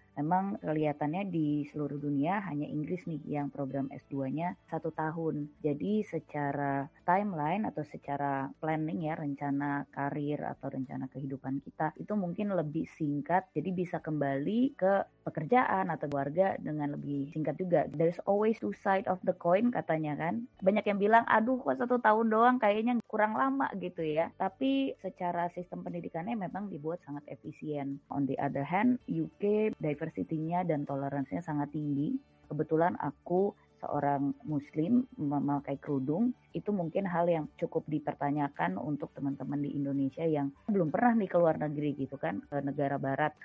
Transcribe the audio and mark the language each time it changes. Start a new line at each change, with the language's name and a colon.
Indonesian: Memang kelihatannya di seluruh dunia hanya Inggris nih yang program S2-nya 1 tahun. Jadi secara timeline atau secara planning ya, rencana karir atau rencana kehidupan kita itu mungkin lebih singkat. Jadi bisa kembali ke pekerjaan atau keluarga dengan lebih singkat juga.
English: There's always two side of the coin
Indonesian: katanya kan. Banyak yang bilang, aduh kok 1 tahun doang kayaknya kurang lama gitu ya. Tapi secara sistem pendidikannya memang dibuat sangat efisien.
English: On the other hand,
Indonesian: UK diversity-nya dan toleransinya sangat tinggi. Kebetulan aku seorang muslim memakai kerudung, itu mungkin hal yang cukup dipertanyakan untuk teman-teman di Indonesia yang belum pernah nih ke luar negeri gitu kan, ke negara barat.